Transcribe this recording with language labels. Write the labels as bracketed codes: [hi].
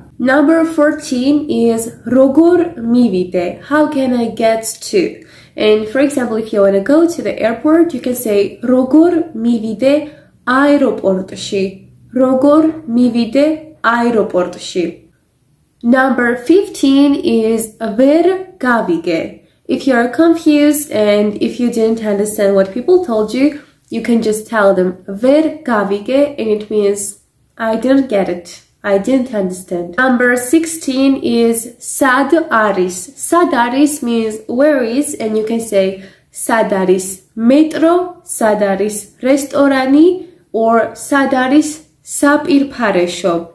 [en] Number 14 is [ka] როგორ მივიდე. [en] How can I get to? And for example, if you want to go to the airport, you can say [ka] როგორ მივიდე აეროპორტში. როგორ მივიდე აეროპორტში. [en] Number 15 is [ka] ვერ გავიგე. [en] If you are confused and if you didn't understand what people told you, you can just tell them [ka] ვერ გავიგე, [en] and it means I didn't get it, I didn't understand. Number 16 is [ka] სად არის. სად არის [en] means where is, and you can say [ka] სად არის მეტრო, სად არის რესტორანი, [en] or [ka] სად არის საპირფარეშო.